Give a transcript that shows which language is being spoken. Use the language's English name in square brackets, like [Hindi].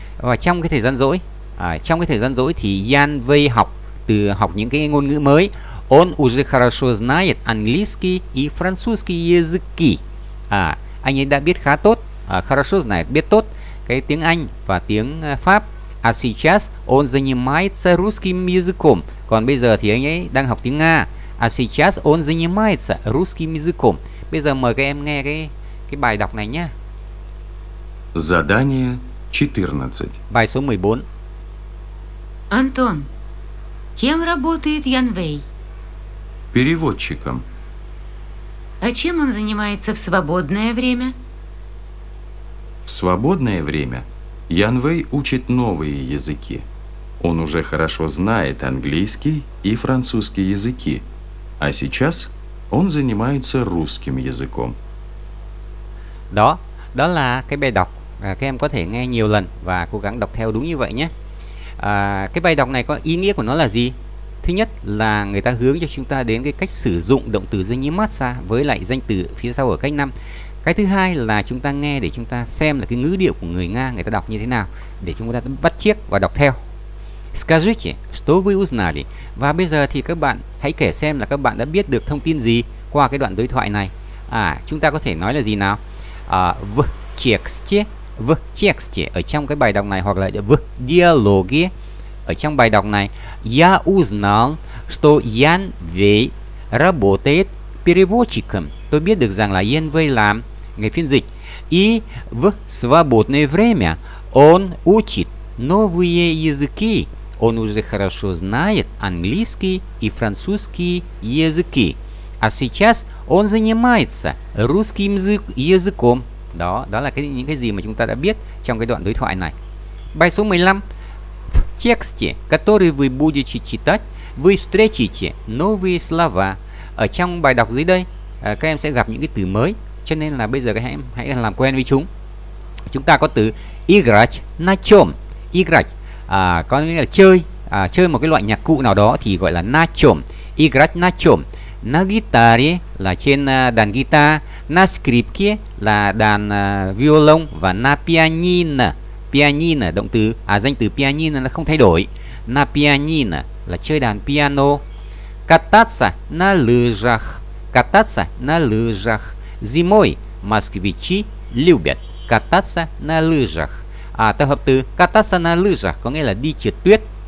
[Vietnamese] Và trong cái thời gian rỗi, thì Yan Vei học những cái ngôn ngữ mới. [Russian] On uzhe khorosho znayet angliski i frantsuski yazuki. [Vietnamese] Anh ấy đã biết khá tốt, [Russian] khorosho znayet [Vietnamese] biết tốt cái tiếng Anh và tiếng Pháp. [Russian] A сейчас он занимается русским языком. [Vietnamese] Còn bây giờ thì anh ấy đang học tiếng Nga. [Russian] A сейчас он занимается русским языком. [Vietnamese] Bây giờ mời các em nghe cái bài đọc này nhé. [Russian] Задание 14. [Vietnamese] Bài số 14. [Russian] Антон, кем работает Ян Вэй? Переводчиком. А чем он занимается в свободное время? В свободное время Ян Вэй учит новые языки. Он уже хорошо знает английский и французский языки. А сейчас он занимается русским языком. [Vietnamese] Đó, đó là cái bài đọc. Các em có thể nghe nhiều lần và cố gắng đọc theo đúng như vậy nhé. Cái bài đọc này có ý nghĩa của nó là gì? Thứ nhất là người ta hướng cho chúng ta đến cái cách sử dụng động từ zanimaitsa với lại danh từ phía sau ở cách 5. Cái thứ hai là chúng ta nghe để chúng ta xem là cái ngữ điệu của người Nga người ta đọc như thế nào để chúng ta bắt chiếc và đọc theo. [Russian] Скажите, что вы узнали? [Vietnamese] Và bây giờ thì các bạn hãy kể xem là các bạn đã biết được thông tin gì qua cái đoạn đối thoại này. Chúng ta có thể nói là gì nào? [Russian] В тексте, в тексте [Vietnamese] ở trong cái bài đọc này hoặc là [Russian] в диалоге [Vietnamese] ở trong bài đọc này. [Russian] Я узнал, что Ян Вэй работает переводчиком. [Vietnamese] Tôi biết được rằng là Ян Вэй làm người phiên dịch. [Russian] И в свободное время он учит новые языки. Он уже хорошо знает английский и французский языки. А сейчас он занимается русским языком. [Vietnamese] Đó, đó là những cái gì mà chúng ta đã biết trong cái đoạn đối thoại này. Bài số 15. [Russian] В тексте, который вы будете читать, вы встретите новые слова. [Vietnamese] Ở trong bài đọc dưới đây, các em sẽ gặp những cái từ mới. Cho nên là bây giờ các em hãy làm quen với chúng. Chúng ta có từ [Russian] играть на чём. [Vietnamese] Играть có nghĩa là chơi. Chơi một cái loại nhạc cụ nào đó thì gọi là [Russian] на чём. Играть на чём. На гитаре [Vietnamese] là trên đàn guitar. [Russian] На скрипке [Vietnamese] là đàn violon. Và [Russian] на пианино. [Vietnamese] Пианино động từ, danh từ пианино nó không thay đổi. [Russian] На пианино [Vietnamese] là chơi đàn piano. [Russian] Кататься на лыжах. Кататься на лыжах. Зимой москвичи любят кататься на лыжах. [Vietnamese] Tập hợp từ [Russian] кататься на лыжах [Vietnamese] có nghĩa là đi trượt tuyết.